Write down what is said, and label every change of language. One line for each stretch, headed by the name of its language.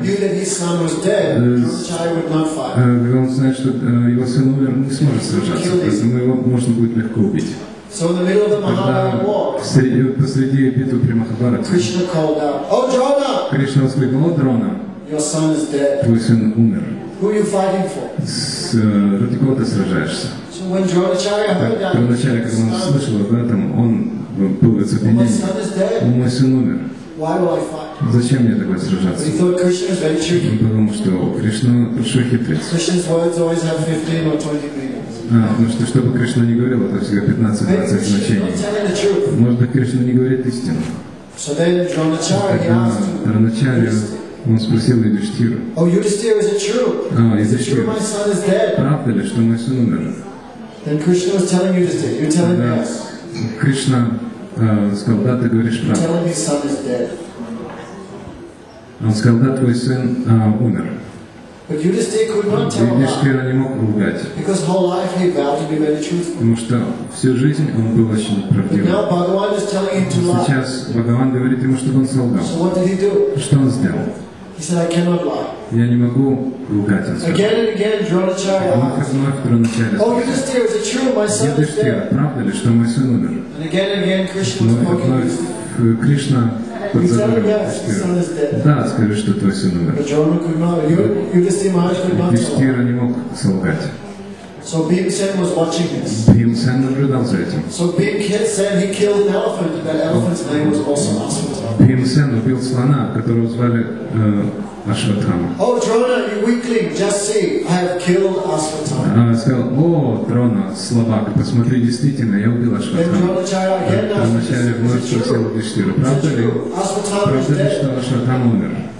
English: knew that his son was dead, Dronacharya would not fight.
Russian: Он знает, что его сын умер, не сможет сражаться, его можно будет легко убить.
English: So in the middle of the Mahabharata walk,
Russian: посреди битвы при Махабарате,
English: Krishna called out, "Oh, Drona!"
Russian: Кришна воскликнул: "Дрона!
English: Your son is dead.
Russian: Твой сын умер.
English: Who are you fighting for?"
Russian: Ради кого ты сражаешься?
English: So when Dronacharya heard that,
Russian: Dronacharya, когда он слышал об этом, он был в оцепенении. Мой сын умер. Зачем мне такое сражаться? Потому что Кришна большой хитрец. Потому что, чтобы Кришна не говорил, это всегда 15-20 значений. Может быть, Кришна не говорит истину.
English: So then Dronacharya
Russian: он спросил Юдиштхиру.
English: Oh, Yudhishthira, is it true? Is it true my son is dead?
Russian: Правда ли, что мой сын умер?
English: Then Krishna was telling Yudhishthira, you're telling me yes.
Russian: Кришна сказал, да, ты говоришь правду.
English: You're telling me son is dead.
Russian: Он сказал, да, твой сын умер.
English: But Yudhishthira could not tell lies.
Russian: Юдиштхира не мог лгать.
English: Because whole life he vowed to be very truthful.
Russian: Потому что всю жизнь он был очень правдивым.
English: But now Bhagavan is telling him to lie.
Russian: Сейчас Бхагаван говорит ему, чтобы он солгал.
English: So what did he do?
Russian: Что он сделал?
English: He said, I cannot lie.
Russian: Я не могу лгать, он
English: сказал. Again and again, Dronacharya. Oh, Yudhishthira, is it true? My son is dead.
Russian: Правда ли, что мой сын умер?
English: And again and again, Krishna was poking
Russian: Кришна. Да, скажи, что твой сын умер. Юдхиштхира не мог солгать.
English: So Bhimsen was watching this.
Russian: Bhimsen наблюдал за этим.
English: So Bhimsen he killed an elephant. That elephant's name was also
Russian: Bhimsen убил слона, которого звали Ашватама.
English: Oh, Drona, you weakling, just see, I have killed Ашватама.
Russian: Он сказал: О, Дрона, слабак, посмотри, действительно, я убил Ашватама. Вначале вновь спросил Юдхиштхиру, правда ли? Правда ли, что Ашватама умер?